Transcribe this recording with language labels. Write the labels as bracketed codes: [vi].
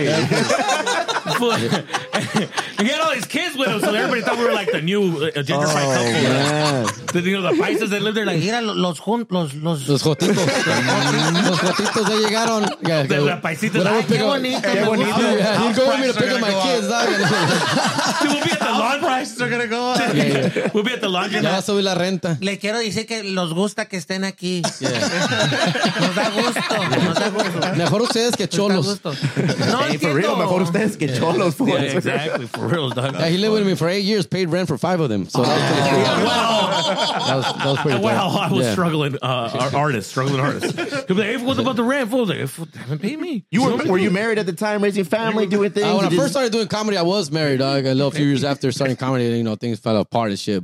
[en] He had all these kids with him, so everybody thought we were like the new gentrified couple. Oh, yeah. You know, the Paisas that lived there, like, [es] mira los Jotitos. Los Jotitos, [en] they [es] llegaron. De la Paisita. Ay, qué bonito. Qué bonito. [en] He's going with me to pick up my kids. Dude, we'll be at the lawn. Prices are going to go up. Yeah. We'll be at the lawn. [es] Ya va a subir la renta. Le quiero decir que los gusta que estén aquí. Yeah. Nos da gusto. Mejor ustedes que cholos. No, [en] hey, for real, [es] mejor ustedes que cholos. [en] Yeah, exactly. For real, dog. Yeah, he lived with me for 8 years, paid rent for 5 of them. So that was pretty cool. Yeah, well, that was pretty cool. Well, I was struggling artists. He'd be like, hey, what about the rent? I was like, they haven't paid me. Were you married at the time, raising family, doing things? When I first started doing comedy, I was married, dog. A little few years after starting comedy, you know, things fell apart and shit.